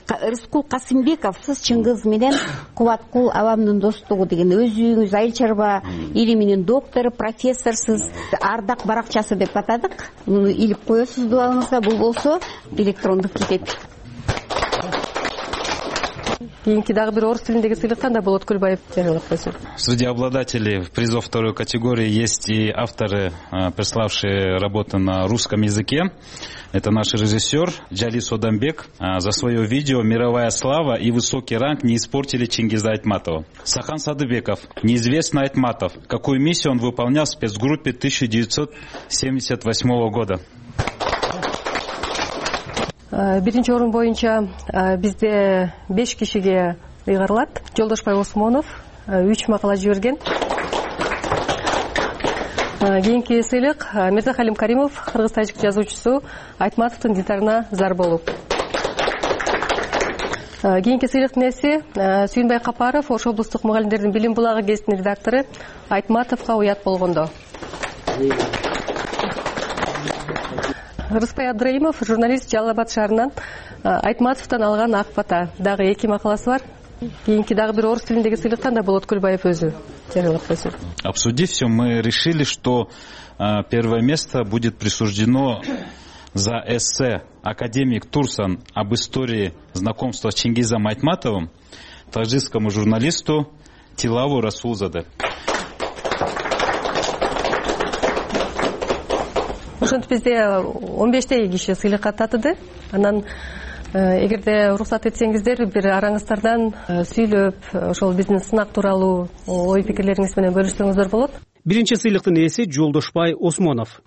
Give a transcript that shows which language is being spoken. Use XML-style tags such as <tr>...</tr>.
<ky>Рыскул Касымбеков, сиз Чыңгыз менен Кубаткул Аламдын достугу деген, өзүңүз айыл чарба илиминин доктору, профессорсуз, ардак баракчасы деп атадык. Муну илип коесуз дубаңызга, бул болсо электрондук китеп. Кийинки дагы бир орус тилиндеги сыйлык кандай болот, Көлбаев жарыялап койсо.</ky> <ru>Среди обладателей призов второй категории есть и авторы, приславшие работы на русском языке. Это наш режиссер Джалис Одамбек. За свое видео «Мировая слава и высокий ранг не испортили Чингиза Айтматова». Сахан Садыбеков, неизвестный Айтматов. Какую миссию он выполнял в спецгруппе 1978 года?</ru> <ky>Биринчи орун боюнча бизде 5 кишиге ыйгарылат. Жолдошбай Осмонов 3 макала жиберген. Кийинки сыйлык Мирзахалим Каримов, кыргыз-тажик жазуучусу, Айтматовдун дидарына зар болуп. Кийинки сыйлыктын ээси Сүйүнбай Капаров, Ош облустук мугалимдердин билим булагы гезитинин редактору, Айтматовго уят болгондо. Рыспай Адраимов, журналист Жалал Абад шаарынан, Айтматовдон алган ак бата дагы 2 макаласы бар. Кийинки дагы бир орус тилиндеги сыйлык кандай болот, Көлбаев өзү жарыялап койсо.</ky> <ru>Обсудив все, мы решили, что первое место будет присуждено за эссе «Академик Турсан об истории знакомства с Чингизом Айтматовым» таджикскому журналисту Тилаву Расулзаде.</ru> <ky>Ошентип бизде 15 киши сыйлыкка татыды. Анан эгерде уруксат этсеңиздер, бир араңыздардан сүйлөп, ошол биздин сынак тууралуу ой пикирлериңиз менен бөлүшсөңүздөр болот. Биринчи сыйлыктын ээси Жолдошбай Осмонов.</ky>